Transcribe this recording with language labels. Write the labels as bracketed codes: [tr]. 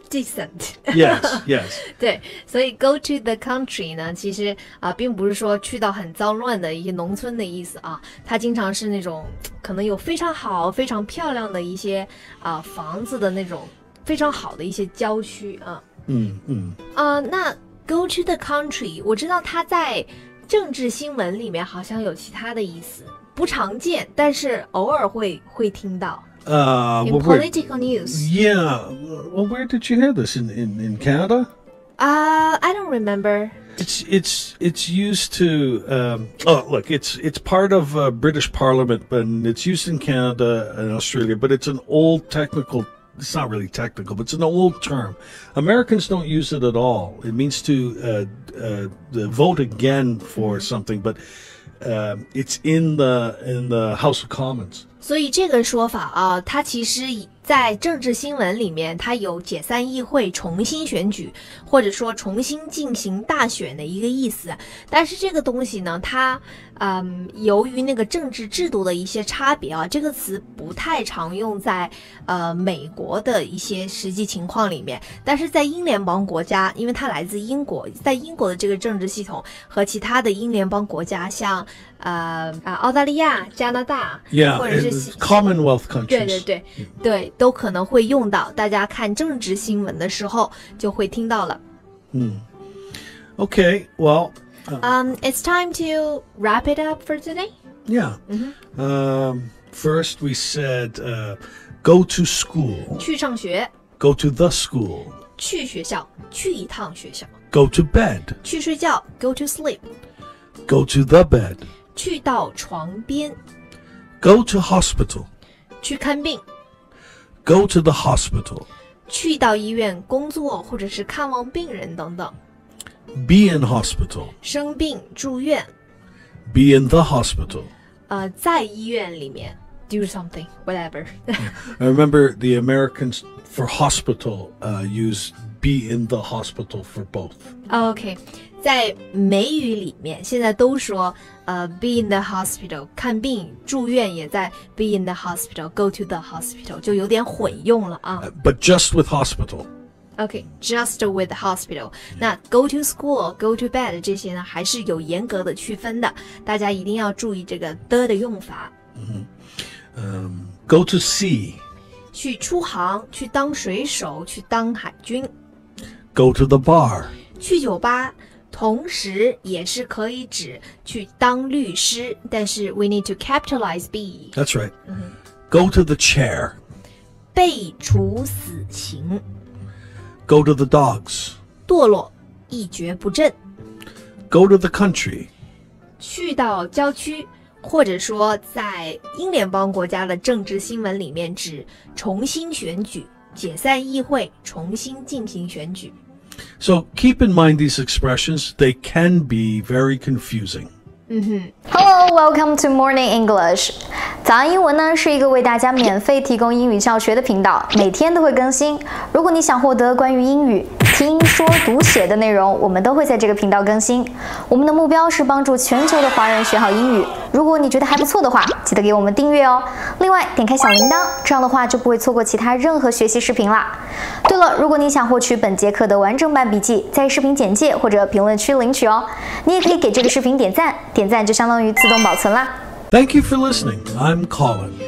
[en] Decent. Yes, yes. [zh] 对，所以 [en] go to the country [zh] 呢，其实并不是说去到很脏乱的一些农村的意思啊，它经常是那种可能有非常好、非常漂亮的一些房子的那种非常好的一些郊区啊。嗯嗯。那 [en] go to the country， [zh] 我知道它在政治新闻里面好像有其他的意思，不常见，但是偶尔会听到。 [en] In political news. Yeah. Well, where did you hear this? In Canada? I don't remember. It's used to... it's part of British Parliament, and it's used in Canada and Australia, but it's an old technical... It's not really technical, but it's an old term. Americans don't use it at all. It means to vote again for something, but it's in the House of Commons. [zh] 所以这个说法啊，它其实在政治新闻里面，它有解散议会、重新选举，或者说重新进行大选的一个意思。但是这个东西呢，它由于那个政治制度的一些差别啊，这个词不太常用在美国的一些实际情况里面。但是在英联邦国家，因为它来自英国，在英国的这个政治系统和其他的英联邦国家，像澳大利亚、加拿大， [en] yeah, [zh] 或者是 [en] Commonwealth countries， [zh] 对对对对，都可能会用到。大家看政治新闻的时候就会听到了。 [en] 嗯 ，Okay, well. It's time to wrap it up for today. Yeah. Mm-hmm. First, we said go to school. [zh] 去上学。 [en] Go to the school. [zh] 去学校，去一趟学校。 [en] Go to bed. [zh] 去睡觉。 [en] Go to sleep. Go to the bed. [zh] 去到床边。 [en] Go to hospital. [zh] 去看病。 [en] Go to the hospital. [zh] 去到医院工作或者是看望病人等等。 [en] Be in hospital. [zh] 生病住院。 [en] Be in the hospital. [zh] 在医院里面。 [en] Do something, whatever. I remember the Americans for hospital use be in the hospital for both. Okay. [zh] 在美语里面现在都说 [en] be in the hospital, [zh] 看病住院也在 be in the hospital, [en] go to the hospital, [zh] 就有点混用了啊。 [en] But just with hospital. Okay, just with the hospital. [zh] 那 [en] go to school, go to bed [zh] 这些呢还是有严格的区分的，大家一定要注意这个 的用法。 [en] Go to sea. [zh] 去出航，去当水手，去当海军。 Go to the bar. 去酒吧，同时也是可以指去当律师，但是 [en] we need to capitalize be. That's right. Go to the chair. [zh] 被处死刑。 [en] Go to the dogs. [zh] 堕落，一蹶不振。 [en] Go to the country. [zh] 去到郊区，或者说在英联邦国家的政治新闻里面指重新选举，解散议会，重新进行选举。 [en] So keep in mind these expressions, they can be very confusing. Hello, welcome to Morning English. [zh] 早安英文呢是一个为大家免费提供英语教学的频道，每天都会更新。如果你想获得关于英语听说读写的内容，我们都会在这个频道更新。我们的目标是帮助全球的华人学好英语。如果你觉得还不错的话，记得给我们订阅哦。另外点开小铃铛，这样的话就不会错过其他任何学习视频了。对了，如果你想获取本节课的完整版笔记，在视频简介或者评论区领取哦。你也可以给这个视频点赞，点赞就相当于自动保存啦。 [en] Thank you for listening. I'm Colin.